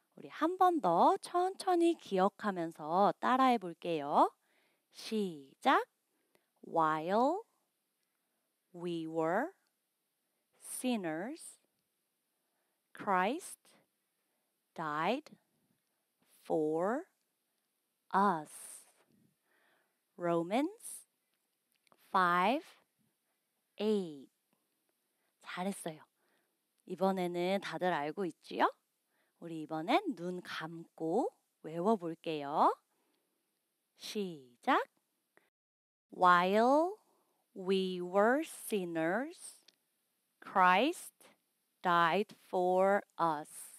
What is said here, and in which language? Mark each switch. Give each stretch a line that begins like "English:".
Korean: 우리 한 번 더 천천히 기억하면서 따라해 볼게요. 시작!
English: While we were sinners, Christ died for us.
Korean: Romans 5:8. 잘했어요. 이번에는 다들 알고 있지요? 우리 이번엔 눈 감고 외워볼게요. 시작!
English: While we were sinners, Christ died for us.